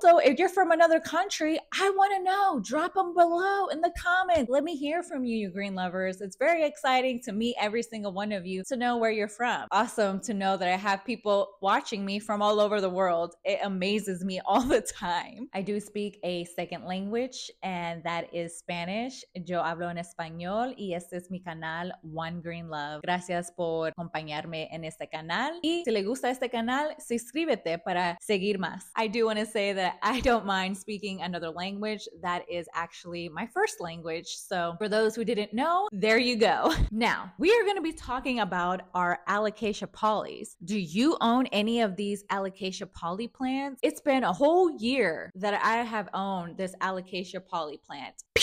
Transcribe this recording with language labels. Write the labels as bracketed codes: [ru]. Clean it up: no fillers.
[en] So if you're from another country, I wanna know, drop them below in the comments. Let me hear from you, you green lovers. It's very exciting to meet every single one of you to know where you're from. Awesome to know that I have people watching me from all over the world. It amazes me all the time. I do speak a second language, and that is Spanish. [es] Yo hablo en español y este es mi canal, One Green Love. Gracias por acompañarme en este canal. Y si le gusta este canal, suscríbete para seguir más. [en] I do want to say that I don't mind speaking another language. That is actually my first language. So for those who didn't know, there you go. Now, we are going to be talking about our Alocasia Pollys. Do you own any of these Alocasia Polly plants? It's been a whole year that I have owned this Alocasia Polly plant.